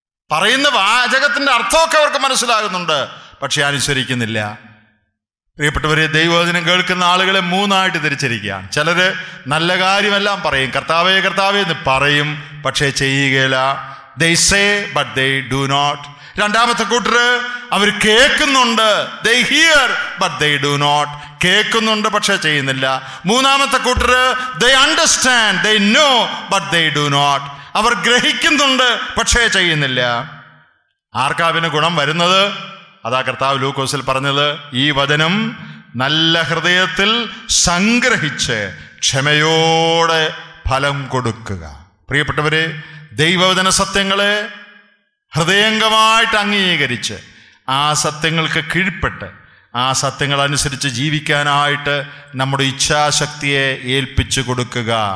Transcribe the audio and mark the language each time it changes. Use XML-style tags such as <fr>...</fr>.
<ml>പറയുന്ന വാചകത്തിന്റെ അർത്ഥമൊക്കെ അവർക്ക് മനസ്സിലാകുന്നുണ്ട്, പക്ഷെ അനുസരിക്കുന്നില്ല. പ്രിയപ്പെട്ടവരെ, ദൈവവചനം കേൾക്കുന്ന ആളുകളെ മൂന്നായിട്ട് തിരിച്ചിരിക്കുകയാണ്. ചിലര് നല്ല കാര്യമെല്ലാം പറയും, കർത്താവേ കർത്താവേ എന്ന് പറയും, പക്ഷേ ചെയ്യുകയില്ല.</ml> <en>They say, but they do not.</en> <ml>രണ്ടാമത്തെ കൂട്ടര് അവർ കേൾക്കുന്നുണ്ട്.</ml> <en>They hear, but they do not.</en> <ml>കേൾക്കുന്നുണ്ട് പക്ഷേ ചെയ്യുന്നില്ല. മൂന്നാമത്തെ കൂട്ടര്</ml> <en>They understand, they know, but they do not.</en> <ml>അവർ ഗ്രഹിക്കുന്നുണ്ട് പക്ഷേ ചെയ്യുന്നില്ല. ആർക്കാവിന് ഗുണം വരുന്നത്? അതാ കർത്താവ് ലൂക്കോസിൽ പറഞ്ഞത്, ഈ വചനം നല്ല ഹൃദയത്തിൽ സംഗ്രഹിച്ച് ക്ഷമയോടെ ഫലം കൊടുക്കുക. പ്രിയപ്പെട്ടവരെ, ദൈവവചന സത്യങ്ങളെ ഹൃദയംഗമായിട്ട് അംഗീകരിച്ച് ആ സത്യങ്ങൾക്ക് കീഴ്പ്പെട്ട് ആ സത്യങ്ങൾ അനുസരിച്ച് ജീവിക്കാനായിട്ട് നമ്മുടെ ഇച്ഛാശക്തിയെ ഏൽപ്പിച്ചു കൊടുക്കുക.</ml>